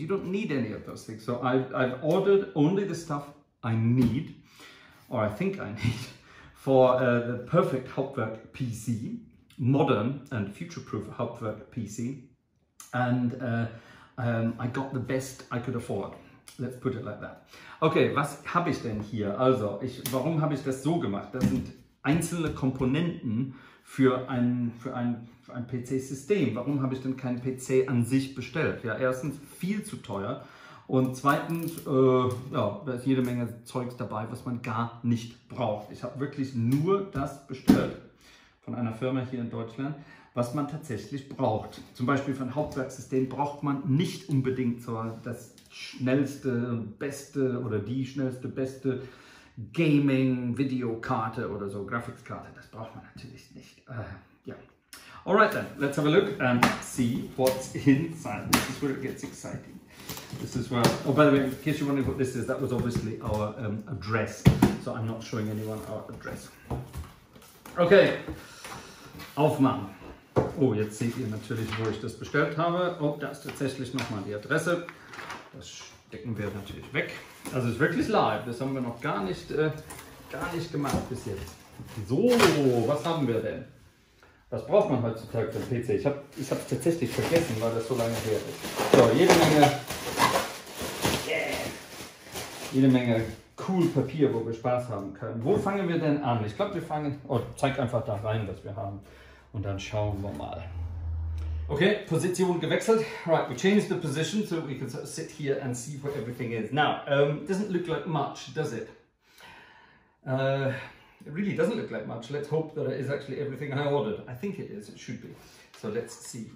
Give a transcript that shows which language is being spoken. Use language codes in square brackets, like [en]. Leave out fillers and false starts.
[en] You don't need any of those things. So I've ordered only the stuff I need, or I think I need, for the perfect Hauptwerk PC, modern and future-proof Hauptwerk PC. And I got the best I could afford. Let's put it like that. [de] Okay, was habe ich denn hier? Also, warum habe ich das so gemacht? Das sind einzelne Komponenten für ein PC-System. Warum habe ich denn keinen PC an sich bestellt? Ja, erstens viel zu teuer. Und zweitens, da ist jede Menge Zeugs dabei, was man gar nicht braucht. Ich habe wirklich nur das bestellt von einer Firma hier in Deutschland, was man tatsächlich braucht. Zum Beispiel für ein Hauptwerksystem braucht man nicht unbedingt so das schnellste, beste oder die schnellste, beste Gaming-Videokarte oder so, Grafikkarte. Das braucht man natürlich nicht. [en] Alright then, let's have a look and see what's inside. This is where it gets exciting. This is where, oh, by the way, in case you're wondering what this is, that was obviously our address. So I'm not showing anyone our address. Okay, [de] aufmachen. Oh, jetzt seht ihr natürlich, wo ich das bestellt habe. Oh, da ist tatsächlich nochmal die Adresse. Das stecken wir natürlich weg. Also es ist wirklich live. Das haben wir noch gar nicht gemacht bis jetzt. So, was haben wir denn? Was braucht man heutzutage für einen PC? Ich habe es tatsächlich vergessen, weil das so lange her ist. So, jede Menge cool Papier, wo wir Spaß haben können. Wo fangen wir denn an? Ich glaube, wir fangen... Oh, zeig einfach da rein, was wir haben. Und dann schauen wir mal. Okay, Position gewechselt. [en] Right, we changed the position so we can sort of sit here and see where everything is. Now, doesn't look like much, does it? It really doesn't look like much. Let's hope that it is actually everything I ordered. I think it is, it should be. So let's see.